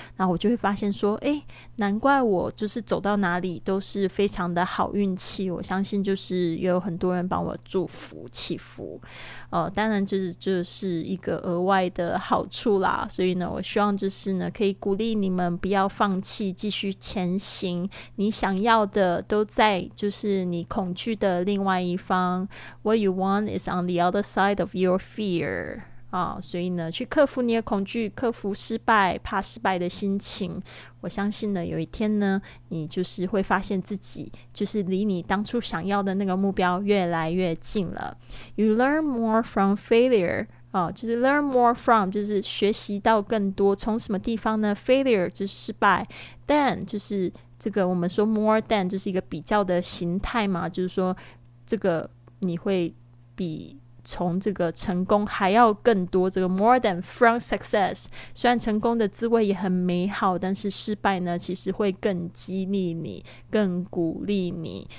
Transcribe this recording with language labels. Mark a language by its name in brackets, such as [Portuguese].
[Chinese] 然后我就会发现说，哎，难怪我就是走到哪里都是非常的好运气。我相信就是也有很多人帮我祝福祈福，当然就是一个额外的好处啦。所以呢，我希望就是呢可以鼓励你们不要放弃，继续前行。你想要的都在就是你恐惧的另外一方， [English] What you want is on the other side of your fear. [Chinese] 所以呢，去克服你的恐惧，克服失败，怕失败的心情，我相信呢，有一天呢，你就是会发现自己就是离你当初想要的那个目标越来越近了。 [English] You learn more from failure. [Chinese] 就是 [English] learn more from， [Chinese] 就是学习到更多，从什么地方呢？ Failure 就是失败， than 就是这个我们说 more than 就是一个比较的形态嘛，就是说这个你会比从这个成功还要更多，这个 [English] more than from success， [Chinese] 虽然成功的滋味也很美好，但是失败呢其实会更激励你，更鼓励你。